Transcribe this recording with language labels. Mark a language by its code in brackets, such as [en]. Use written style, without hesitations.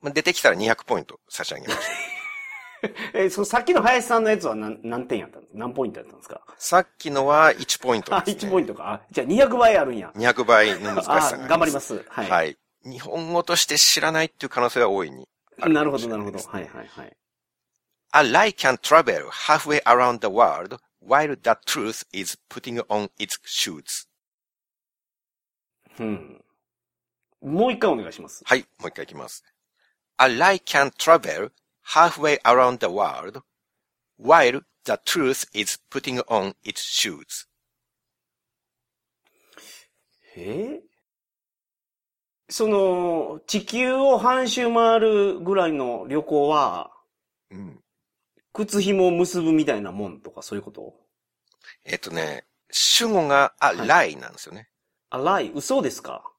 [ja] まあ出てきたら200ポイント差し上げます。そのさっきの林さんのやつは 何点やったんですか？何ポイントやったんですか？さっきのは1ポイントです、ね。あ、1ポイントか。あ、じゃあ200倍あるんや。 200倍の難しさがあります。頑張ります、はい。はい。日本語として知らないっていう可能性は大いに。なるほど、なるほど。はい、はい、はい。 [en] A lie can travel halfway around the world while the truth is putting on its shoes. [ja] うん。もう一回お願いします。はい、もう一回いきます。 [en] A lie can travel halfway around the world while the truth is putting on its shoes. [ja] え? その、地球を半周回るぐらいの旅行は、うん。靴紐を結ぶみたいなもんとかそういうこと? 主語が、はい、lie なんですよね。 a lie? 嘘ですか?